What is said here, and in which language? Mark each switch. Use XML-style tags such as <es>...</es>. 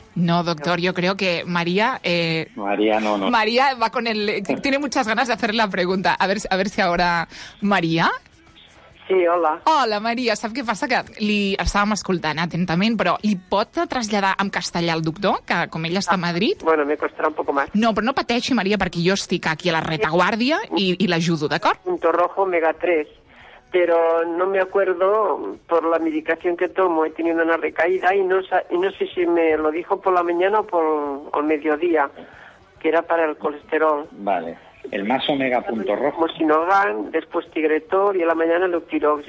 <es>No, doctor, yo creo que María... María no. María va con el... Tiene muchas ganas de hacerle la pregunta. A ver si ahora... ¿María? Sí, hola.</es> <ca>Hola, Maria. Sap què passa? Que li estàvem escoltant atentament, però li pot traslladar en castellà al doctor, que com ell està a Madrid...</ca> <es>Bueno, me costarà un poco más.</es> <ca>No, però no pateixi, Maria, perquè jo estic aquí a la retaguardia i l'ajudo, d'acord?</ca> <es>Punto rojo omega 3, pero no me acuerdo por la medicación que tomo. He tenido una recaída y no sé si me lo dijo por la mañana o por el mediodía, que era para el colesterol. Vale. El más omega punto rojo. Como Sinovan, después Tigretor y a la mañana Loctirox.</es>